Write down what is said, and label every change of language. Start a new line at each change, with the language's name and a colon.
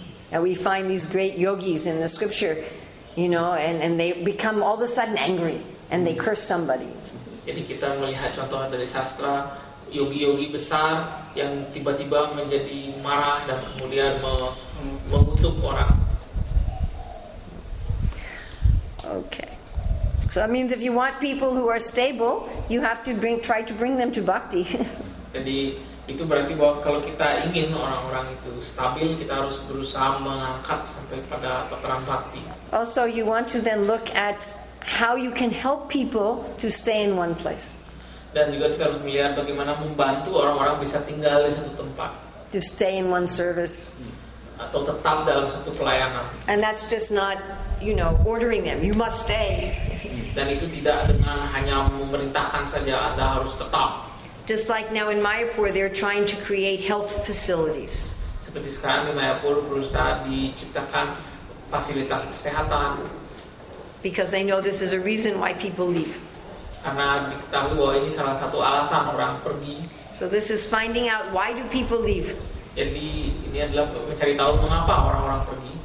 English: And we find these great yogis in the scripture, you know, and they become all of a sudden angry and they curse somebody.
Indonesian: Jadi kita melihat contoh dari sastra, yogi-yogi besar yang tiba-tiba menjadi marah dan kemudian mengutuk orang.
English: Okay. So that means if you want people who are stable, you have to try to bring them to bhakti.
Indonesian: Jadi itu berarti bahwa kalau kita ingin orang-orang itu stabil, kita harus berusaha mengangkat sampai pada tataran bhakti.
English: Also, you want to then look at how you can help people to stay in one place.
Indonesian: Dan juga kita harus melihat bagaimana membantu orang-orang bisa tinggal di satu tempat.
English: To stay in one service.
Indonesian: Atau tetap dalam satu pelayanan.
English: And that's just not, you know, ordering them. You must stay.
Indonesian: Dan itu tidak dengan hanya memerintahkan saja, Anda harus tetap.
English: Just like now in Mayapur, they're trying to create health facilities.
Indonesian: Seperti sekarang di Mayapur berusaha diciptakan fasilitas kesehatan.
English: Because they know this is a reason why people leave.
Indonesian: Karena diketahui bahwa ini salah satu alasan orang pergi.
English: So this is finding out why do people leave.
Indonesian: Jadi ini adalah mencari tahu mengapa orang-orang pergi.